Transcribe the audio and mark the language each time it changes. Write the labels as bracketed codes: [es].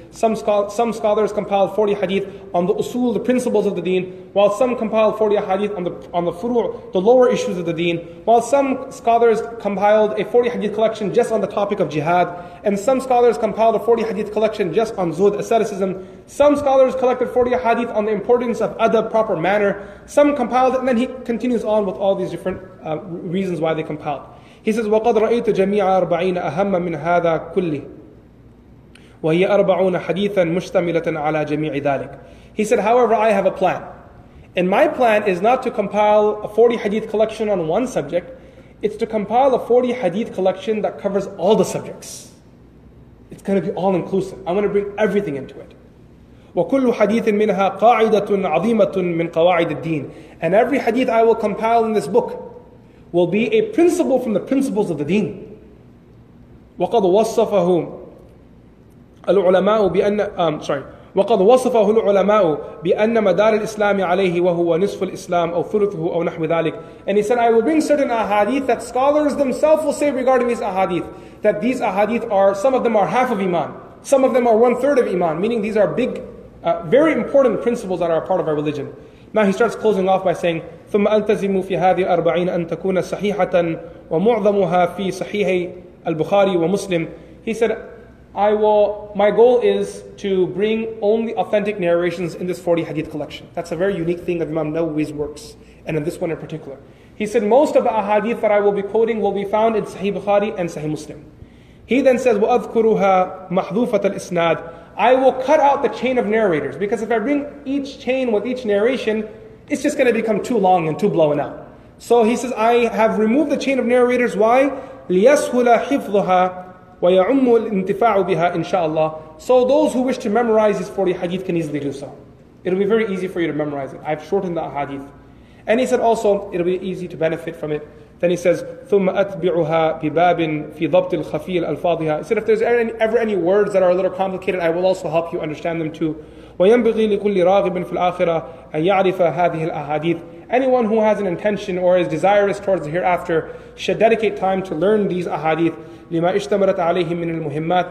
[en] Some scholars compiled 40 hadith on the usul, the principles of the deen, while some compiled 40 ahadith on the furu', the lower issues of the deen, while some scholars compiled a 40 hadith collection just on the topic of jihad, and some scholars compiled a 40 hadith collection just on zuhd, asceticism. Some scholars collected 40 ahadith on the importance of adab, proper manner. Some compiled it, and then he continues on with all these different reasons why they compiled. He says, [ar] وَقَدْ رَأَيْتُ جَمِيعَ أَرْبَعِينَ أَهَمَّ مِنْ هَذَا كُلِّهِ وهي أربعون حديثا مشتملة على جميع ذلك. [en] He said, however, I have a plan. And my plan is not to compile a 40 hadith collection on one subject. It's to compile a 40 hadith collection that covers all the subjects. It's going to be all inclusive. I want to bring everything into it. [ar] وكل حديث منها قاعدة عظيمة من قواعد الدين. [en] And every hadith I will compile in this book will be a principle from the principles of the deen. [ar] وقد وصفه العلماء بأن وقد وصفه العلماء بأن مدار الإسلام عليه وهو نصف الإسلام أو ثلثه أو نحو ذلك. [en] And he said, I will bring certain ahadith that scholars themselves will say regarding these ahadith, that these ahadith are, some of them are half of iman, some of them are one third of iman, meaning these are big, very important principles that are a part of our religion. Now he starts closing off by saying, [ar] ثم ألتزموا في هذه الأربعين أن تكون صحيحة ومعظمها في صحيح البخاري ومسلم. [en] He said, my goal is to bring only authentic narrations in this 40 hadith collection. That's a very unique thing of Imam Nawawi's works, and in this one in particular. He said, most of the ahadith that I will be quoting will be found in Sahih Bukhari and Sahih Muslim. He then says, [ar] وَأَذْكُرُهَا مَحْذُوفَةَ الْإِسْنَادِ. [en] I will cut out the chain of narrators, because if I bring each chain with each narration, it's just going to become too long and too blown out. So he says, I have removed the chain of narrators. Why? [ar] لِيَسْهُلَ حِفْظُهَا وَيَعُمُّ الْإِنْتِفَاعُ بِهَا إِنْشَاءَ اللَّهِ. [en] So those who wish to memorize these 40 hadith can easily do so. It'll be very easy for you to memorize it. I've shortened the hadith. And he said also, it'll be easy to benefit from it. Then he says, [ar] ثُمَّ أَتْبِعُهَا بِبَابٍ فِي ضَبْطِ الْخَفِيِّ الْأَلْفَاظِهَا. [en] He said, if there's ever any words that are a little complicated, I will also help you understand them too. [ar] وَيَنْبِغِي لِكُلِّ رَاغِبٍ فِي الْآخِرَةِ أَنْ يَعْرِفَ هَذِهِ الْأَحَادِيثِ. [en] Anyone who has an intention or is desirous towards the hereafter should dedicate time to learn these ahadith. [ar] لِمَا اشْتَمَرَتْ عَلَيْهِمْ مِنَ الْمُهِمَّاتِ.